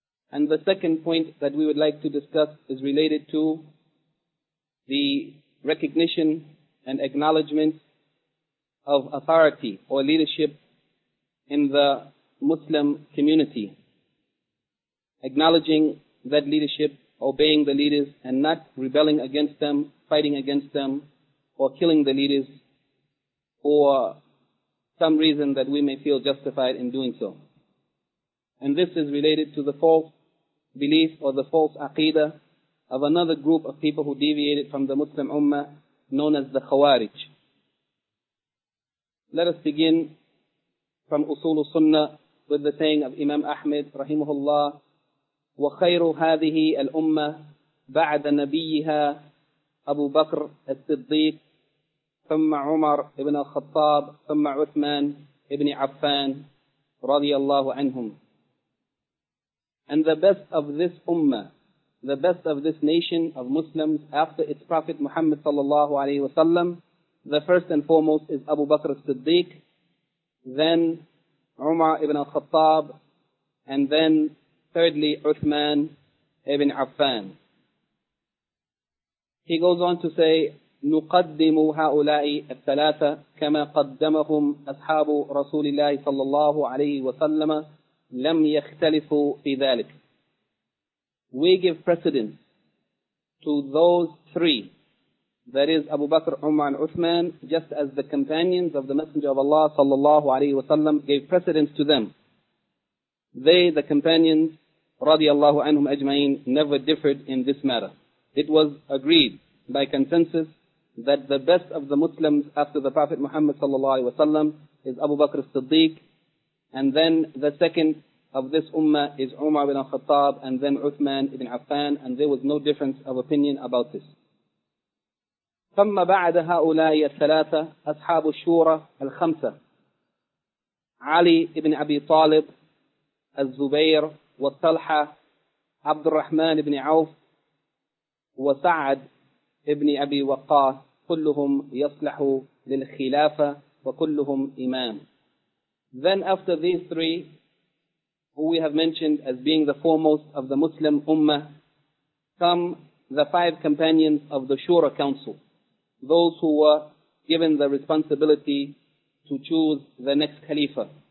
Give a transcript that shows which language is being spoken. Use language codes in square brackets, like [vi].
[en] And the second point that we would like to discuss is related to the recognition and acknowledgement of authority or leadership in the Muslim community, acknowledging that leadership, obeying the leaders, and not rebelling against them, fighting against them, or killing the leaders for some reason that we may feel justified in doing so. And this is related to the false belief or the false aqidah of another group of people who deviated from the Muslim Ummah, known as the Khawarij. Let us begin from Usul al-Sunnah with the saying of Imam Ahmad, rahimahullah, [ar] وَخَيْرُ هَذِهِ الْأُمَّةِ بَعْدَ نَبِيِّهَا أَبُو بَكْرَ الصِّدِّيقِ ثم عمر ابن الخطاب ثم عثمان ابن عفان رضي الله عنهم. [en] And the best of this ummah, the best of this nation of Muslims after its Prophet Muhammad sallallahu alaihi wasallam, the first and foremost is Abu Bakr as-Siddiq, then Umar ibn al-Khattab, and then thirdly Uthman ibn Affan. He goes on to say, [ar] نقدم هؤلاء الثلاثة كما قدمهم أصحاب رسول الله صلى الله عليه وسلم لم يختلفوا في ذلك. [en] We give precedence to those three, that is Abu Bakr, Umar and Uthman, just as the companions of the Messenger of Allah [ar] صلى الله عليه وسلم [en] gave precedence to them. They, the companions, [ar] رضي الله عنهم أجمعين, [en] never differed in this matter. It was agreed by consensus that the best of the Muslims after the Prophet Muhammad sallallahu alaihi wasallam is Abu Bakr as-Siddiq, and then the second of this ummah is Umar ibn al-Khattab, and then Uthman ibn Affan, and there was no difference of opinion about this. [ar] ثم بعد هؤلاء الثلاثة أصحاب الشورى الخمسة علي ابن أبي طالب الزبير والطلحة عبد الرحمن ابن عوف وسعد ابن أبي وقاص كلهم يصلح للخلافة وكلهم إمام. [en] Then after these three, who we have mentioned as being the foremost of the Muslim Ummah, come the five companions of the Shura Council, those who were given the responsibility to choose the next Khalifa.